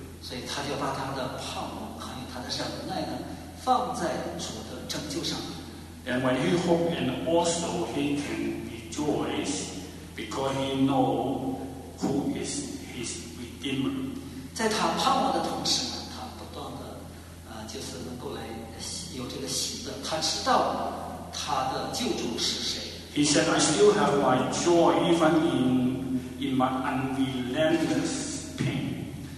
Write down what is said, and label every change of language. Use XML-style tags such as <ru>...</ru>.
<zh>所以他就把他的盼望还有他的忍耐呢放在主的拯救上。</zh> <en>And when he hope and also he can rejoice because he know. Who is his redeemer?</en> <zh>在他盼望的同时呢，他不断的，就是能够来有这个喜乐。他知道他的救主是谁。</zh> <en>He said, "I still have my joy even in my unrelentless pain."</en>